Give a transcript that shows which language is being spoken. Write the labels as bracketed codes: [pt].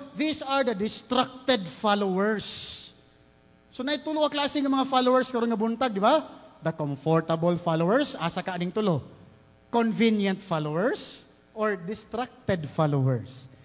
[en] These are the distracted followers. [ceb] So na itulo ang klase ng mga followers karon nga buntag, di ba? [en] The comfortable followers, [ceb] asa ka aning tulo? [en] Convenient followers or distracted followers?